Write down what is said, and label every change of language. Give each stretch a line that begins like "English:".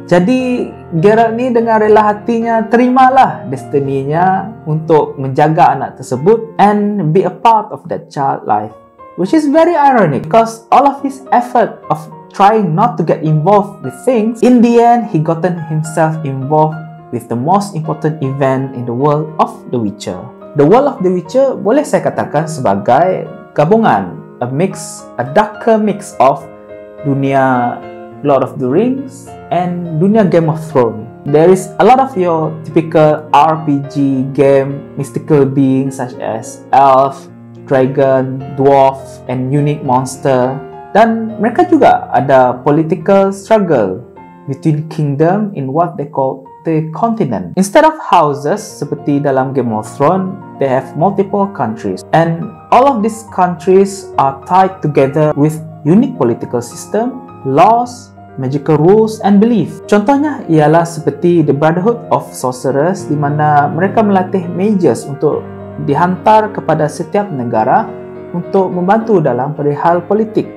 Malay: Jadi, Geralt ni dengan rela hatinya terimalah destininya untuk menjaga anak tersebut
English: and be a part of that child life. Which is very ironic because all of his effort of trying not to get involved with things, in the end, he gotten himself involved with the most important event in the world of The Witcher.
Malay: The world of The Witcher boleh saya katakan sebagai gabungan,
English: a mix, a darker mix of
Malay: dunia Lord of the Rings and dunia Game of Thrones.
English: There is a lot of your typical RPG game mystical beings such as elf, dragon, dwarf, and unique monster.
Malay: Dan mereka juga ada
English: political struggle between kingdom in what they call the continent. Instead of houses
Malay: seperti dalam
English: Game of Thrones, they have multiple countries. And all of these countries are tied together with unique political system, laws, magical rules and belief.
Malay: Contohnya ialah seperti the Brotherhood of Sorcerers di mana mereka melatih mages untuk dihantar kepada setiap negara untuk membantu dalam perihal politik.